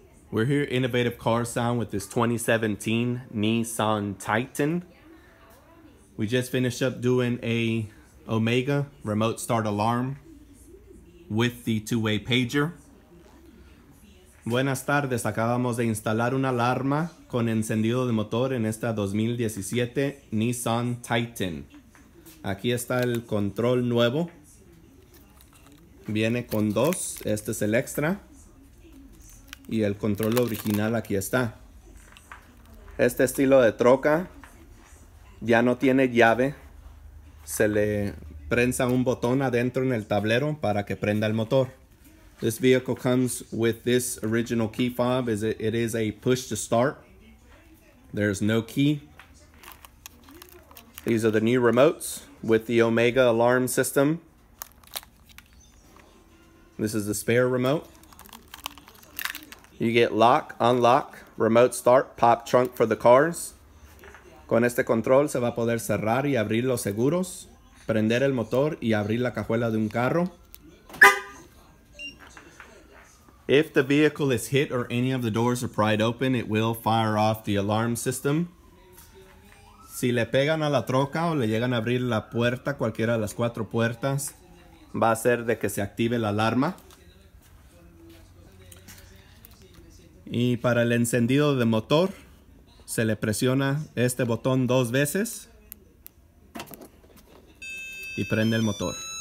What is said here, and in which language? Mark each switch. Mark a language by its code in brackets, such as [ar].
[en] We're here, Innovative Car Sound, with this 2017 Nissan Titan. We just finished up doing a Omega remote start alarm with the two-way pager. [es] Buenas tardes, acabamos de instalar una alarma con encendido de motor en esta 2017 Nissan Titan. Aquí está el control nuevo. Viene con dos, este es el extra. Y el control original aquí está. Este estilo de troca ya no tiene llave. Se le prensa un botón adentro en el tablero para que prenda el motor. [en] This vehicle comes with this original key fob. It is a push to start. There's no key. These are the new remotes with the Omega alarm system. This is the spare remote. You get lock, unlock, remote start, pop trunk for the cars. [es] Con este control se va a poder cerrar y abrir los seguros, prender el motor y abrir la cajuela de un carro. [en] If the vehicle is hit or any of the doors are pried open, it will fire off the alarm system. [es] Si le pegan a la troca o le llegan a abrir la puerta, cualquiera de las cuatro puertas, va a ser de que se active la alarma. Y para el encendido de motor, se le presiona este botón dos veces y prende el motor.